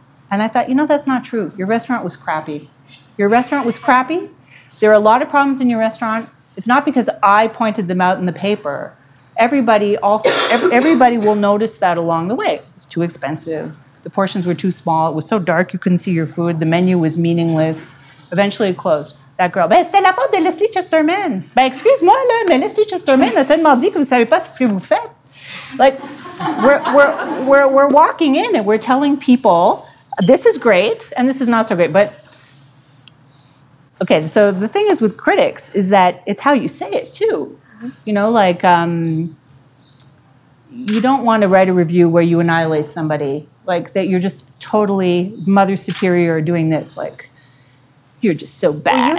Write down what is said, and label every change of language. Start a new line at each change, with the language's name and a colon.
English: And I thought, you know, that's not true. Your restaurant was crappy. Your restaurant was crappy. There are a lot of problems in your restaurant. It's not because I pointed them out in the paper. Everybody will notice that along the way. It's too expensive. The portions were too small. It was so dark you couldn't see your food. The menu was meaningless. Eventually it closed. That girl,
French: ben, c'était la faute de Lesley Chesterman. Ben, excuse-moi, là, mais Lesley Chesterman, c'est le mardi que vous savez pas ce que vous faites.
English: Like, we're walking in and we're telling people, this is great, and this is not so great, but, okay, so the thing is with critics is that it's how you say it, too. You know, like, you don't want to write a review where you annihilate somebody, like, that you're just totally mother superior doing this, like, you're just so bad.